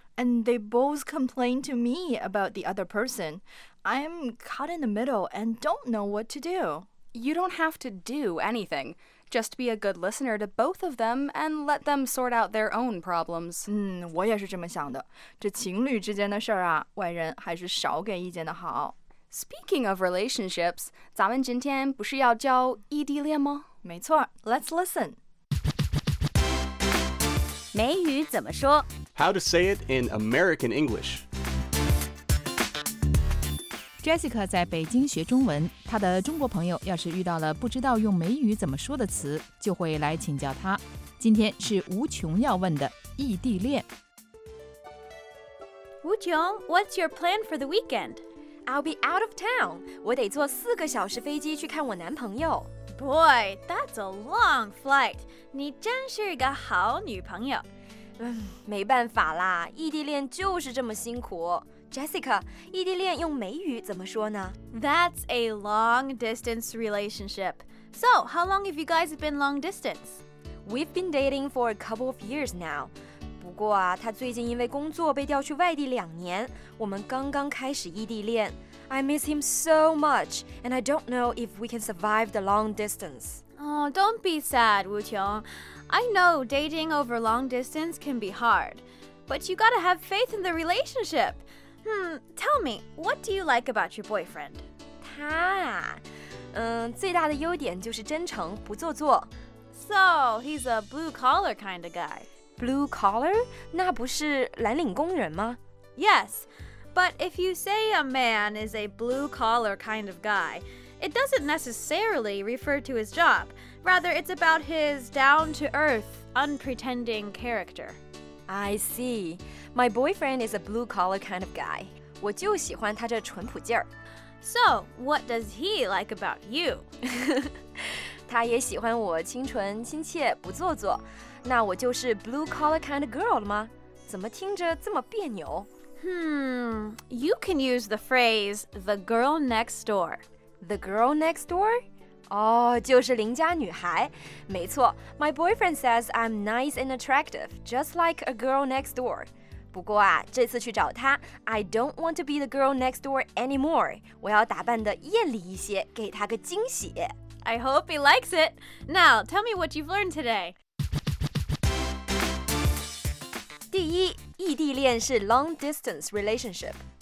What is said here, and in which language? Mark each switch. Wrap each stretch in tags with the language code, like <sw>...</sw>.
<en>And they both complain to me about the other person. I'm caught in the middle and don't know what to do. You don't have to do anything. Just be a good listener to both of them and let them sort out their own problems.</en> <zh>我也是这么想的。这情侣之间的事儿啊，外人还是少给意见的好。</zh> <en>Speaking of relationships,</en> <zh>咱们今天不是要教异地恋吗？没错，</zh> <en>let's listen.</en> <zh>美语怎么说？</zh> <en>How to say it in American English.</en> <zh>Jessica 在北京学中文，她的中国朋友要是遇到了不知道用美语怎么说的词，就会来请教她。今天是吴琼要问的异地恋。</zh> <en>吴琼， what's your plan for the weekend? I'll be out of town.</en> <zh>我得坐四个小时飞机去看我男朋友。</zh> <en>Boy, that's a long flight.</en> <zh>你真是一个好女朋友。没办法啦，异地恋就是这么辛苦。 Jessica, 异地恋用美语怎么说呢？</zh> <en>That's a long distance relationship. So, how long have you guys been long distance? We've been dating for a couple of years now.</en> <zh>不过啊，他最近因为工作被调去外地两年，我们刚刚开始异地恋。</zh> <en>I miss him so much, and I don't know if we can survive the long distance. Oh, don't be sad, Wu Qiong. I know dating over long distance can be hard, but you gotta have faith in the relationship. Tell me, what do you like about your boyfriend?</en> <zh>他他啊，最大的优点就是真诚，不做作。</zh> <en>So, he's a blue-collar kind of guy.</en> <zh>Blue-collar? 那不是蓝领工人吗？</zh> <en>Yes, but if you say a man is a blue-collar kind of guy, it doesn't necessarily refer to his job. Rather, it's about his down-to-earth, unpretending character. I see. My boyfriend is a blue-collar kind of guy.</en> <zh>我就喜欢他这淳朴劲儿。</zh> <en>So, what does he like about you?</en> <zh>他也喜欢我清纯亲切不做作，那我就是</zh> <en>blue collar kind of girl</en> <zh>了吗？怎么听着这么别扭？</zh> <en>You can use the phrase the girl next door. The girl next door?</en> <zh>哦，就是邻家女孩。没错，</zh> <en>my boyfriend says I'm nice and attractive, just like a girl next door.</en> <zh>不过啊，这次去找他</zh> <en>，I don't want to be the girl next door anymore.</en> <zh>我要打扮的艳丽一些，给他个惊喜。</zh> <en>I hope he likes it. Now, tell me what you've learned today.</en> <zh>第一，异地恋是 long distance relationship.</zh>